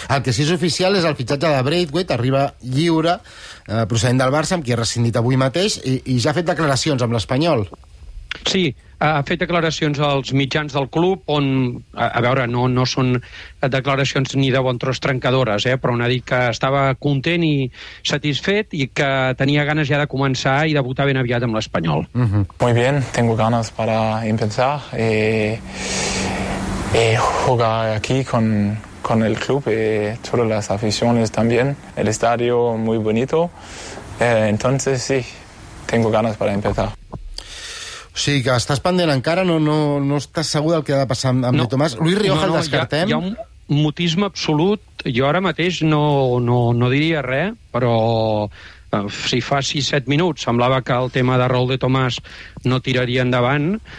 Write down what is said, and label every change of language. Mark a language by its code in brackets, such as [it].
[ca] El que sí és oficial és el fitxatge de Braithwaite, arriba lliure, procedent del Barça, amb qui ha rescindit avui mateix, i ja ha fet declaracions amb l'Espanyol. Sí, ha fet declaracions als mitjans del club, on, a veure, no són declaracions ni de bon tros trencadores, però on ha dit que estava content i satisfet i que tenia ganes ja de començar i debutar ben aviat amb l'Espanyol. Uh-huh. [es] Muy bien, tengo ganas para empezar y jugar aquí con el club y todas las aficiones también. El estadio muy bonito, entonces sí, tengo ganas para empezar. [ca] O sigui que estàs pendent encara, no estàs segur del que ha de passar amb no. De Tomàs. Luis Rioja, el descartem? Hi ha un mutisme absolut. Jo ara mateix no diria res, però si fa 6-7 minuts semblava que el tema de Raúl de Tomàs no tiraria endavant.